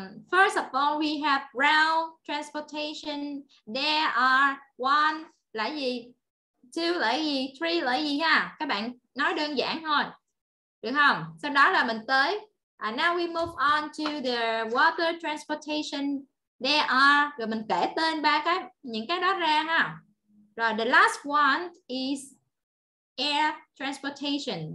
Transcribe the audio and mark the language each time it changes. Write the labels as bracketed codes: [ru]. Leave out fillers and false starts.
[en] First of all, we have rail transportation. There are one [vi] là gì, two là gì, three là gì ha. Các bạn nói đơn giản thôi, được không? Sau đó là mình tới [en] And now we move on to the water transportation. There are, [vi] rồi mình kể tên ba cái, những cái đó ra ha. [en] Rồi, the last one is air transportation.